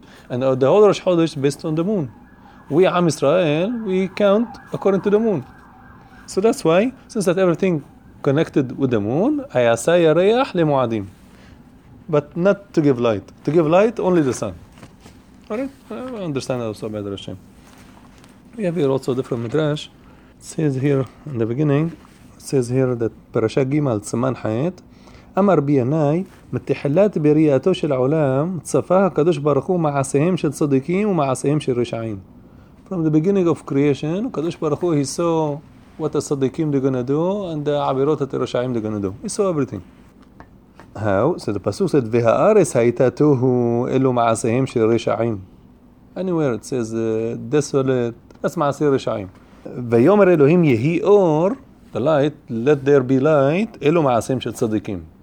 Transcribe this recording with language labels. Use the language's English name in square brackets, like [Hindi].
[English] And the whole Rosh Chodesh is based on the moon. We, Am Israel, we count according to the moon. So that's why, since that everything connected with the moon, [Hebrew] Ayasai Yareyach Lemu'adim. [English] But not to give light. To give light, only the sun. Alright? I understand that also by the Hashem. We have here also a different midrash. It says here in the beginning, it says here that Parashah Gimal Tzman Hayet, [Hebrew] אמר בינאי מתחילת בריאתו של העולם צפה הקדוש ברוך הוא מעשיהם של צדיקים ומעשיהם של רשעים. [English] From the beginning of creation, הקדוש ברוך הוא, he saw what the צדיקים they're gonna do and the עבירות that the רשעים they're gonna do. He saw everything. How? So the pasuk said, [Hebrew] והארץ הייתה תוהו אלו מעשיהם של רשעים. [English] Anywhere it says desolate, that's מעשי רשעים. [Hebrew] ויאמר אלוהים יהי אור, [English] the light, let there be light, [Hebrew] אלו מעשים של צדיקים.